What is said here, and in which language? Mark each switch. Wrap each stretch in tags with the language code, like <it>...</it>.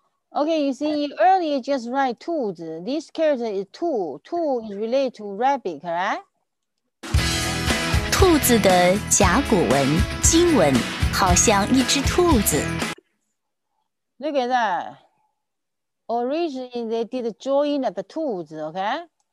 <en>Okay, you see, you earlier just write 兔子. This character is 兔.兔 is related to rabbit, correct?</en> <zh>兔子的甲骨文经文好像一只兔子</zh> <en>Look at that. Originally, they did a drawing of a 兔子, okay?</en>